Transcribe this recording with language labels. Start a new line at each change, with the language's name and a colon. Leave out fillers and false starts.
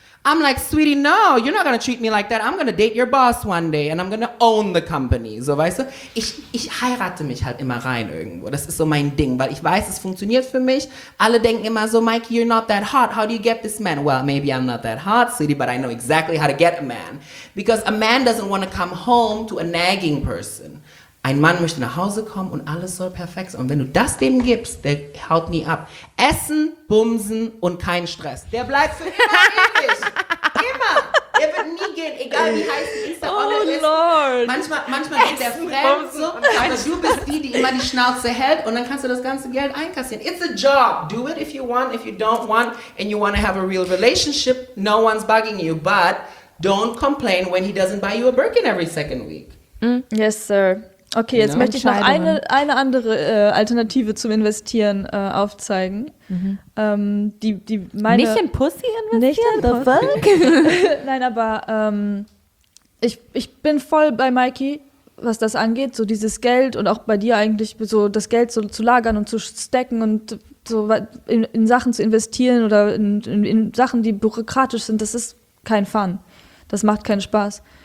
English: I'm like, sweetie, no, you're not gonna treat me like that. I'm gonna date your boss one day and I'm gonna own the company.
German: So, weißt du? Ich heirate mich halt immer rein irgendwo. Das ist so mein Ding, weil ich weiß, es funktioniert für mich. Alle denken immer so,
English: Mikey, you're not that hot. How do you get this man? Well, maybe I'm not that hot, sweetie, but I know exactly how to get a man. Because a man doesn't want to come home to a nagging person.
German: Ein Mann möchte nach Hause kommen und alles soll perfekt sein. Und wenn du das dem gibst, der haut nie ab. Essen, bumsen und kein Stress. Der bleibt für immer ewig. Immer. Der wird nie gehen, egal wie heiß es ist.
English: Oh Lord.
German: Manchmal geht der fremd so, aber du bist die, die immer die Schnauze hält und dann kannst du das ganze Geld einkassieren.
English: It's a job. Do it if you want, if you don't want and you want to have a real relationship. No one's bugging you, but don't complain when he doesn't buy you a Birkin every second week. Yes, sir.
German: Okay, jetzt möchte ich noch eine andere Alternative zum Investieren aufzeigen. Mhm. Die meine nicht in Pussy investieren? Nicht in
English: the fuck?
German: Nein, aber ich bin voll bei Mikey, was das angeht, so dieses Geld und auch bei dir eigentlich, so das Geld so zu lagern und zu stacken und so in Sachen zu investieren oder in Sachen, die bürokratisch sind, das ist kein Fun. Das macht keinen Spaß.